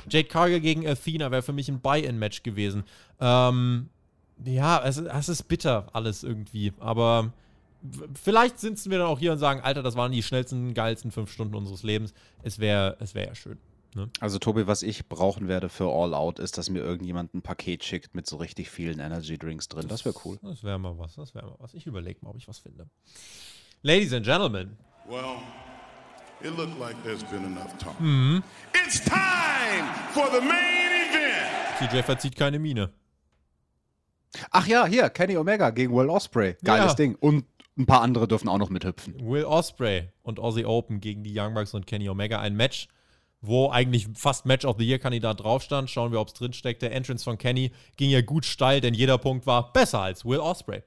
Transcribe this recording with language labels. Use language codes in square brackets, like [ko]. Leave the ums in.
[de] Jade Cargill gegen Athena wäre für mich ein Buy-in-Match gewesen. Ähm, ja, es, es ist bitter alles irgendwie, aber w- vielleicht sitzen wir dann auch hier und sagen, Alter, das waren die schnellsten, geilsten fünf Stunden unseres Lebens. Es wäre es wär ja schön. Also, Tobi, was ich brauchen werde für All Out, ist, dass mir irgendjemand ein Paket schickt mit so richtig vielen Energy Drinks drin. Das wäre cool. Das wäre mal was, das wäre mal was. Ich überlege mal, ob ich was finde. [en] Ladies and Gentlemen, Well, it looked like there's been enough talk. It's time for the main event. [de] TJ verzieht keine Miene. Ach ja, hier, Kenny Omega gegen Will Osprey. Geiles Ja. Ding. Und ein paar andere dürfen auch noch mithüpfen. Will Osprey und Aussie Open gegen die Young Bucks und Kenny Omega ein Match, wo eigentlich fast Match of the Year Kandidat drauf stand. Schauen wir, ob es drin steckt. Der Entrance von Kenny ging ja gut steil, denn jeder Punkt war besser als Will Osprey.